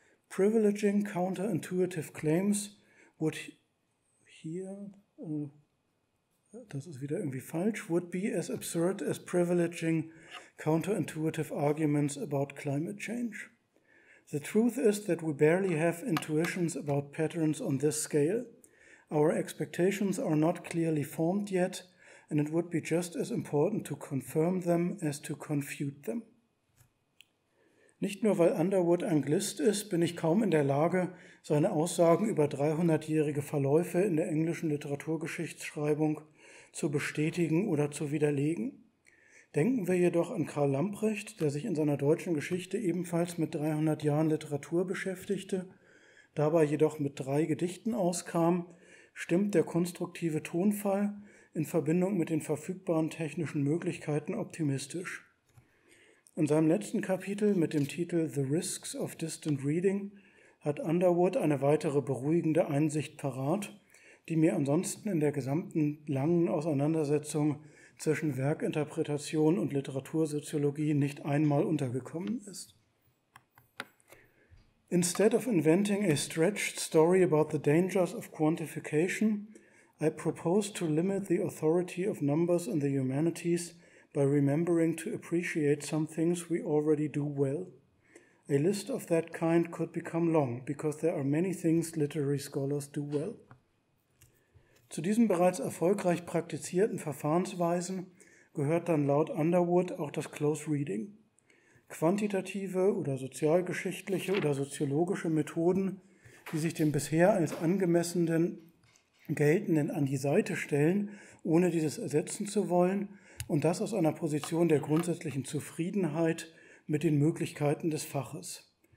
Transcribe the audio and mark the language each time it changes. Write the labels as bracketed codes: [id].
[en] Privileging counterintuitive claims would would be as absurd as privileging counterintuitive arguments about climate change. The truth is that we barely have intuitions about patterns on this scale. Our expectations are not clearly formed yet, and it would be just as important to confirm them as to confute them. [de] Nicht nur weil Underwood Anglist ist, bin ich kaum in der Lage, seine Aussagen über 300-jährige Verläufe in der englischen Literaturgeschichtsschreibung zu bestätigen oder zu widerlegen. Denken wir jedoch an Karl Lamprecht, der sich in seiner deutschen Geschichte ebenfalls mit 300 Jahren Literatur beschäftigte, dabei jedoch mit 3 Gedichten auskam, stimmt der konstruktive Tonfall in Verbindung mit den verfügbaren technischen Möglichkeiten optimistisch. In seinem letzten Kapitel mit dem Titel »The Risks of Distant Reading« hat Underwood eine weitere beruhigende Einsicht parat, die mir ansonsten in der gesamten langen Auseinandersetzung zwischen Werkinterpretation und Literatursoziologie nicht einmal untergekommen ist. [en] Instead of inventing a stretched story about the dangers of quantification, I propose to limit the authority of numbers in the humanities by remembering to appreciate some things we already do well. A list of that kind could become long, because there are many things literary scholars do well. [de] Zu diesen bereits erfolgreich praktizierten Verfahrensweisen gehört dann laut Underwood auch das Close Reading. Quantitative oder sozialgeschichtliche oder soziologische Methoden, die sich dem bisher als angemessenen Geltenden an die Seite stellen, ohne dieses ersetzen zu wollen, und das aus einer Position der grundsätzlichen Zufriedenheit mit den Möglichkeiten des Faches.